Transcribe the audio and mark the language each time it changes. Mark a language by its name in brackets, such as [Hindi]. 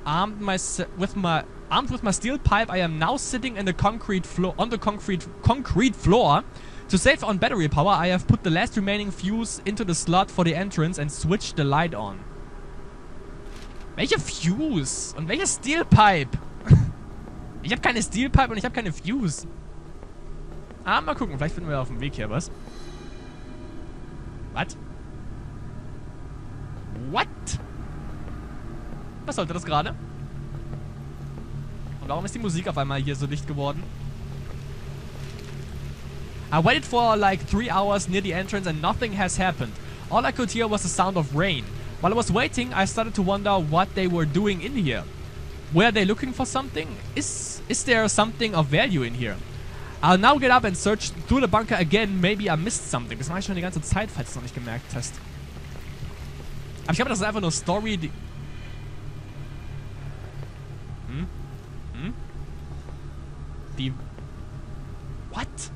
[English] Armed with my steel pipe, I am now sitting in the concrete floor... On the concrete floor... To save on battery power, I have put the last remaining fuse into the slot for the entrance and switched the light on. [German] Welche Fuse? Und welche Steel Pipe? Ich habe keine Steel Pipe und ich habe keine Fuse. Ah, mal gucken, vielleicht finden wir auf dem Weg hier was. [English] What? What? [German] Was sollte das gerade? Und warum ist die Musik auf einmal hier so dicht geworden? [English] I waited for like 3 hours near the entrance and nothing has happened. All I could hear was the sound of rain. While I was waiting, I started to wonder what they were doing in here. Were they looking for something? Is there something of value in here? I'll now get up and search through the bunker again. Maybe I missed something. [German] Das mache ich schon die ganze Zeit, falls du es noch nicht gemerkt hast. Aber ich glaube, das ist einfach nur Story. [English] What?